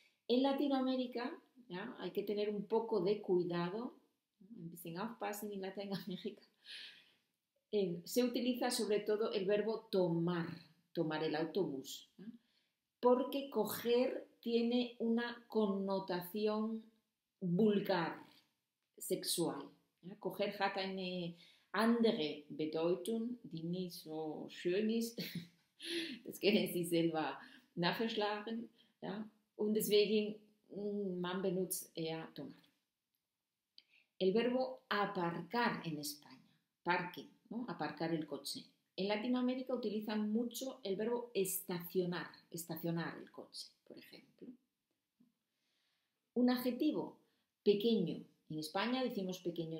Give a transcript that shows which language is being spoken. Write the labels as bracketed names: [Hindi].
[Spanish] En Latinoamérica, ¿ya?, hay que tener un poco de cuidado, en Latinoamérica, se utiliza sobre todo el verbo tomar, tomar el autobús, ¿ya?, porque coger tiene una connotación vulgar, sexual, ¿ya? [German] Coger hat eine andere Bedeutung, die nicht so schön ist. Das können Sie selber nachschlagen. [Spanish] ¿Ya? [German] Und deswegen, man benutzt eher tomar. [Spanish] El verbo aparcar en España, parque, ¿no?, aparcar el coche. En Latinoamérica utilizan mucho el verbo estacionar, estacionar el coche, por ejemplo. Un adjetivo, pequeño. En España decimos pequeño.